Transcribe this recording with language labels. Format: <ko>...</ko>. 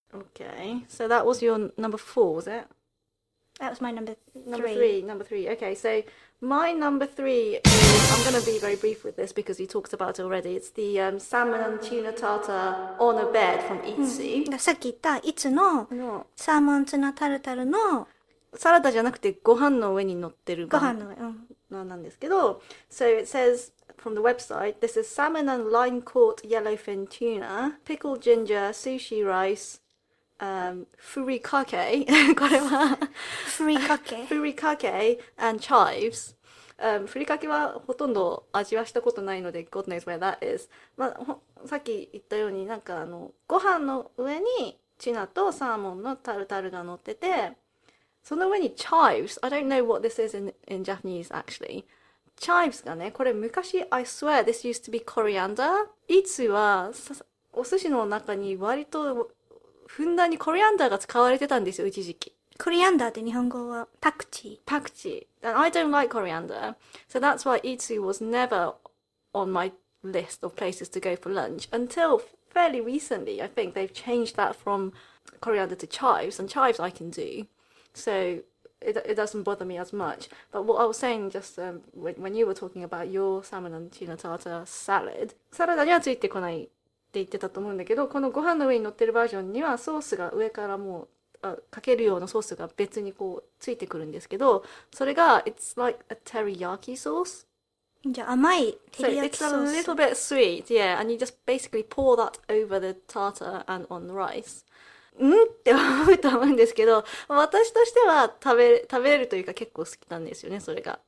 <en>Okay, so that was your number four, was it? That was my Number three, number three. Okay, so my number three is, I'm going to be very brief with this because you talked about it already. It's the salmon and tuna tartar on a bed from three. Itsy.</en> <ja>さっき言ったいつのの、サーモンツナタルタルのサラダじゃなくてご飯の上に乗ってるご版飯の、なんですけど、</ja> <en>So it says from the website, this is salmon and line caught yellowfin tuna, pickled ginger, sushi rice, furikake,</en> <ja>これは、フリカケ。</ja> <en>furikake and chives. furikake</en> <ja>はほとんど味はしたことないので、</ja> <en>God knows where that is.</en> <ja>まあ、さっき言ったように、なんかご飯の上にチナとサーモンのタルタルが乗ってて、その上にチャイブス。</ja> <en>I don't know what this is in Japanese, actually.</en> <ja>チャイブスがね、これ昔、</ja> <en>I swear this used to be coriander.</en> <ja>いつは、お寿司の中に割と、ふんだんにコリアンダーが使われてたんですよ、一時期。コリアンダーって日本語はパクチー。</ja> <en>パクチー。And I don't like coriander. So that's why Itsu was never on my list of places to go for lunch. Until fairly recently, I think they've changed that from coriander to chives. And chives I can do. So it doesn't bother me as much. But what I was saying just when you were talking about your salmon and tuna tartar salad.</en> <ja>サラダにはついてこない。って言ってたと思うんだけど、このご飯の上に乗ってるバージョンにはソースが上からもうかけるようなソースが別にこうついてくるんですけど、それが</ja> <en>It's like a teriyaki sauce.</en> <ja>じゃあ甘い照</ja> <en>So</en> <ja>り焼き</ja> <en>it's a</en> <ja>ソース。</ja> <en>little bit sweet, yeah, and you just basically pour that over the tartar and on the rice.</en> <ja>って思うと思うんですけど、私としては食べれるというか結構好きなんですよね、それが。</ja>